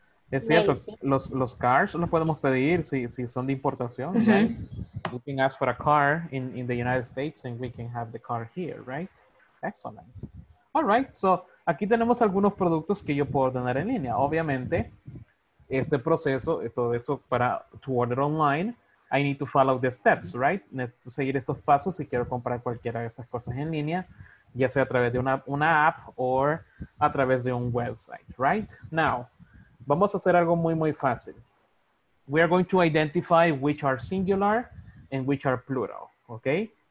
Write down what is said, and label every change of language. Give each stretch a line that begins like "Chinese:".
Spanish: Es cierto, los cars los podemos pedir si son de importación, uh-huh.
English: Right? We can ask for a car in the United States and we can have the car here, right? Excellent. All right, so
Spanish: aquí tenemos algunos productos que yo puedo ordenar en línea. Obviamente, este proceso, todo eso para
English: to order online, I need to follow the steps, right?
Spanish: Necesito seguir estos pasos si quiero comprar cualquiera de estas cosas en línea. Ya sea a través de una app o a través de un website, right? Now, vamos a hacer algo muy, muy fácil.
English: We are going to identify which are singular and which are plural, okay?